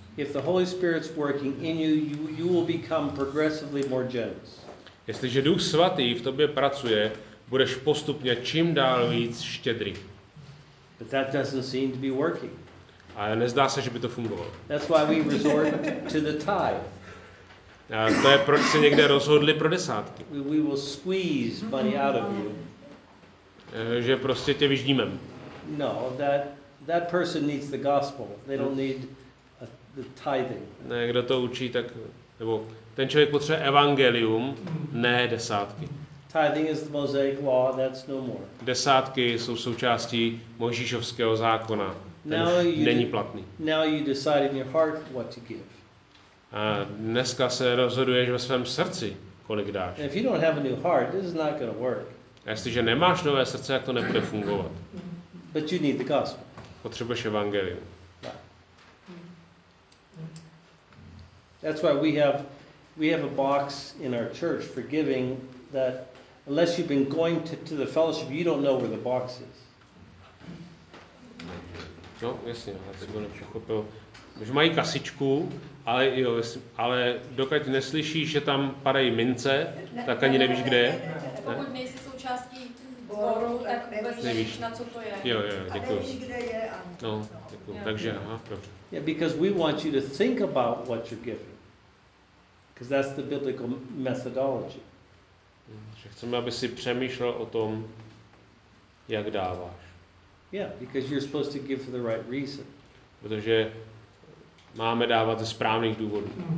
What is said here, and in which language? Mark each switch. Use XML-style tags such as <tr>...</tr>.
<en>If the Holy Spirit's working in you, you will become progressively more generous.</en> <cs>Jestliže Duch Svatý v tobě pracuje, budeš postupně čím dál víc štědrý.</cs> <en>But that doesn't seem to be working.</en> <cs>A nezdá se, že by to fungovalo.</cs> <en>That's why we resort to the tithe.</en> <cs>A to je proč se někde rozhodli pro desátky.</cs> <en>We will squeeze money out of you.</en> <cs>Že prostě tě vyždíme.</cs> <en>No, that person needs the gospel. They don't need the tithing.</en> <cs>Ne, kdo to učí, tak nebo ten člověk potřebuje evangelium, ne desátky.</cs> <en>Tithing is the Mosaic law, that's no more.</en> <cs>Desátky jsou součástí Mojžíšovského zákona.</cs> <en>Now you</en> <cs>není platný.</cs> <en>Now you decide in your heart what to give.</en> <cs>A dneska se rozhoduješ ve svém srdci, kolik dáš.</cs> <en>And if you don't have a new heart, this is not going to work.</en> <cs>Jestliže nemáš nové srdce, jak to nebude fungovat.</cs> <en>But you need the gospel.</en> <cs>Potřebuješ evangelium.</cs> <en>That's why we have a box in our church for giving that unless you've been going to the fellowship, you don't know where the box is.</en> <cs>No, jasně, já jsem to nepochopil. Že mají kasičku, ale jo, jestli, ale dokud neslyšíš, že tam padají mince, tak ani nevíš, kde je. Pokud nejsi součástí sboru, tak vůbec nevíš, na co to je. Jo, jo, děkuju. A nevíš, kde je. No, děkuju. Takže, aha, dobře.</cs> <en>Yeah, because we want you to think about what you're giving. Because that's the biblical methodology.</en> <cs>Že chceme, aby si přemýšlel o tom, jak dáváš.</cs> <en>Yeah, because you're supposed to give for the right reason.</en> <cs>Protože máme dávat ze správných důvodů.</cs>